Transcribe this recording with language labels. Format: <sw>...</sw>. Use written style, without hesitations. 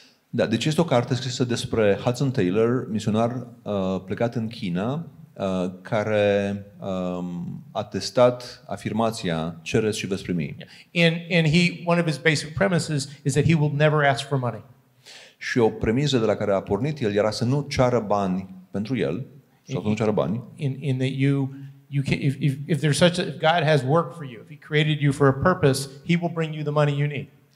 <ro>Da, deci este o carte scrisă despre Hudson Taylor, misionar plecat în China, care a testat afirmația, cereți și veți primi.</ro> <en>And he, one of his basic premises is that he will never ask for money.</en> <ro>Și o premisă de la care a pornit el era să nu ceară bani pentru el, sau să nu ceară bani.</ro> <en>In that you can, if there's such a, if God has work for you, if he created you for a purpose, he will bring you the money you need.</en>